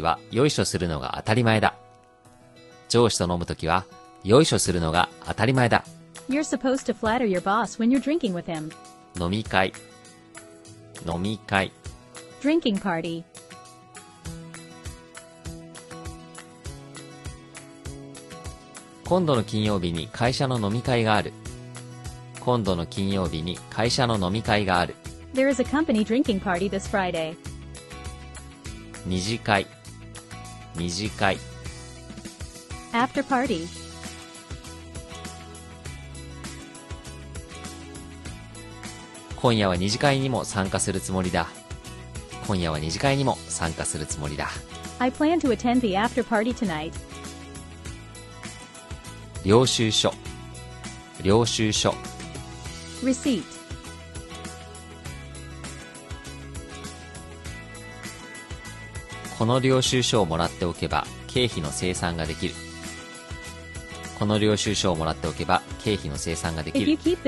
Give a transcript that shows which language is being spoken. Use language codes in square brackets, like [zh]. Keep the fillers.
[ja] よいしょするのが当たり前だ。上司と飲むときは、よいしょするのが当たり前だ。 [en] You're supposed to flatter your boss when you're drinking with him. [ja] 飲み会飲み会 [en] Drinking party [ja] 今度の金曜日に会社の飲み会がある今度の金曜日に会社の飲み会がある [en] There is a company drinking party this Friday [ja] 二次会二次会 [en] After party [ja] 今夜は二次会にも参加するつもりだ今夜は二次会にも参加するつもりだ [en] I plan to attend the after party tonight to [ja] 領収書領収書 receipt この領収書をもらっておけば経費の精算ができるこの領収書をもらっておけば経費の精算ができる